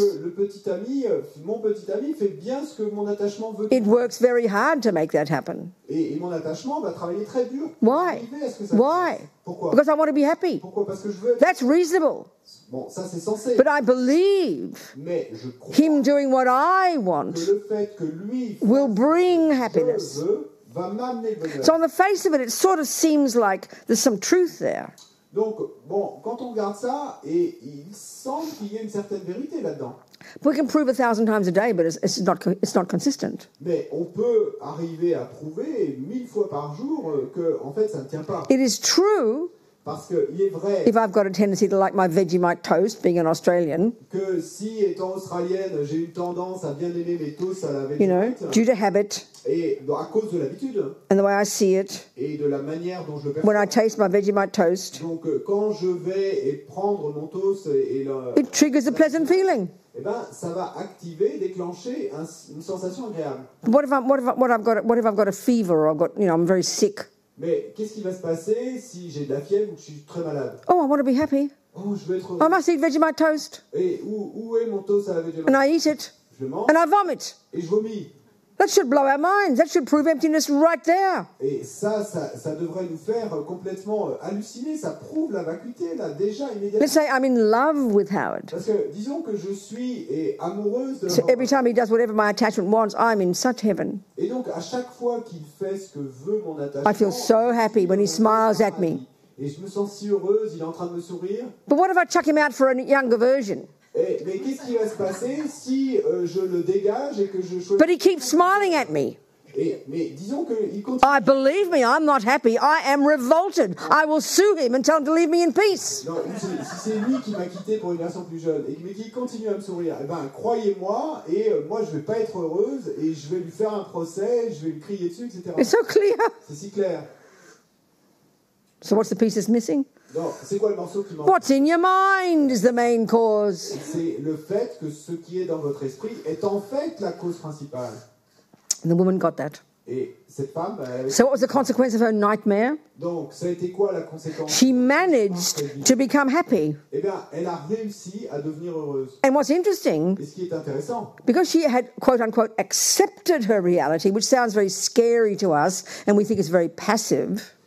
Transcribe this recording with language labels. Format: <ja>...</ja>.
<fr>Que le petit mon petit ami fait bien ce que mon attachement veut.</fr> <en>It works very hard to make that happen.</en> <fr>Et mon attachement va travailler très dur.</fr> <en>Why? Why?</en> <fr>Pourquoi?</fr> <en>Because I want to be happy.</en> <fr>Pourquoi? Parce que je veux être...</fr> <en>That's reasonable.</en> <fr>Bon, ça c'est censé.</fr> <en>But I believe</en> <fr>mais je crois</fr> <en>him doing what I want</en> <fr>que le fait que lui</fr> <en>will bring happiness.</en> <fr>Va m'amener le bonheur.</fr> <en>So on the face of it, it sort of seems like there's some truth there.</en> <fr>Donc, bon, quand on regarde ça, et il semble qu'il y ait une certaine vérité là-dedans.</fr> <en>We can prove 1,000 times a day, but it's not consistent.</en> <fr>Mais on peut arriver à prouver 1,000 fois par jour que en fait ça ne tient pas.</fr> <en>It is true.</en> <fr>Parce que il est vrai.</fr> <en>If I've got a tendency to like my Vegemite toast, being an Australian.</en> <fr>Que si étant australienne, j'ai une tendance à bien aimer mes toasts à la Vegemite.</fr> <en>You know, due to habit.</en> <fr>Et à cause de l'habitude.</fr> <en>And the way I see it.</en> <fr>Et de la manière dont je le perçois.</fr> <en>When I taste my Vegemite toast.</en> <fr>Donc quand je vais et prendre mon toast et le.</fr> <en>It triggers a pleasant feeling.</en> <fr>Eh ben, ça va activer, déclencher une sensation agréable.</fr> <en>What if I've got a fever or I've got, you know, I'm very sick.</en> <fr>Mais qu'est-ce qui va se passer si j'ai de la fièvre ou que je suis très malade?</fr> <en>Oh, I want to be happy.</en> <fr>Oh, je veux être heureux.</fr> <en>I must eat Vegemite toast.</en> <fr>Et où est mon toast à la Vegemite?</fr> <en>And I eat it.</en> <fr>Je mange.</fr> <en>And I vomit.</en> <fr>Et je vomis.</fr> <en>That should blow our minds. That should prove emptiness right there.</en> <fr>Et ça devrait nous faire complètement halluciner. Ça prouve la vacuité, là, déjà, immédiatement.</fr> <en>Let's say I'm in love with Howard.</en> <fr>Parce que, disons que je suis et amoureuse de...</fr> <en>So every time he does whatever my attachment wants, I'm in such heaven.</en> <fr>Et donc, à chaque fois qu'il fait ce que veut mon attachement...</fr> <en>I feel so happy when he smiles at me.</en> <fr>Et je me sens si heureuse, il est en train de me sourire.</fr> <en>But what if I chuck him out for a younger version?</en> <fr>Mais qu'est-ce qui va se passer si je le dégage et que je choisis...</fr> <en>But he keeps smiling at me.</en> <fr>Mais</fr> <en>believe me, I'm not happy. I am revolted. I will sue him and tell him to leave me in peace.</en> <fr>Non, si c'est lui qui m'a quitté pour une version plus jeune et qui continue à me sourire, eh ben croyez-moi, et moi je vais pas être heureuse et je vais lui faire un procès, je vais lui crier dessus, etc.</fr> <en>It's so clear.</en> <fr>C'est si clair.</fr> <en>So what's the piece that's missing?</en> <fr>Non, c'est quoi le morceau qui manque?</fr> <en>What's in your mind is the main cause.</en> <fr>C'est le fait que ce qui est dans votre esprit est en fait la cause principale.</fr> <en>And the woman got that. So what was the consequence of her nightmare?</en> <fr>Donc, ça a été quoi, la conséquence?</fr> <en>She managed to become happy.</en> <fr>Eh bien, elle a réussi à devenir heureuse.</fr> <en>And what's interesting,</en> <fr>ce qui est intéressant,</fr> <en>because she had, quote-unquote, accepted her reality, which sounds very scary to us, and we think it's very passive.</en>